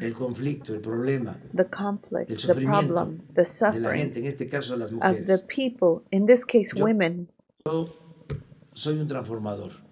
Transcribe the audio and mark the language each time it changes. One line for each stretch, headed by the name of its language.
Spanish: el conflicto, el problema,
English: the conflict,
Spanish: el sufrimiento,
English: the problem, the suffering
Spanish: de la gente, en este caso, las mujeres,
English: of the people, in this case women.
Spanish: Yo soy un transformador.